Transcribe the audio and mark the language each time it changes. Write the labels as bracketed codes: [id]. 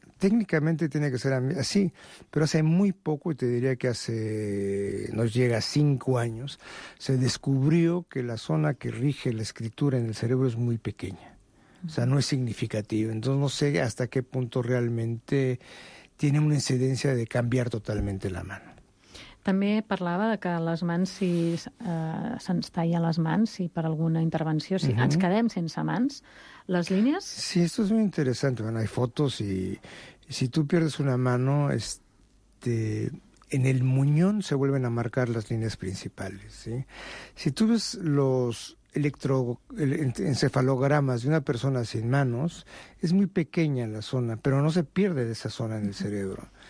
[es] Técnicamente tiene que ser así, pero hace muy poco, y te diría que hace, nos llega a 5 años, se descubrió que la zona que rige la escritura en el cerebro es muy pequeña. O sea, no es significativo. Entonces no sé hasta qué punto realmente tiene una incidencia de cambiar totalmente la mano. [ca] També parlava de que les mans, si se'ns talla les mans, si per alguna intervenció, si ens quedem sense mans, les línies... [es] Sí, esto es muy interesante. Bueno, hay fotos y si tú pierdes una mano, en el muñón se vuelven a marcar las líneas principales, ¿sí? Si tú ves los encefalogramas de una persona sin manos, es muy pequeña la zona, pero no se pierde de esa zona en el cerebro.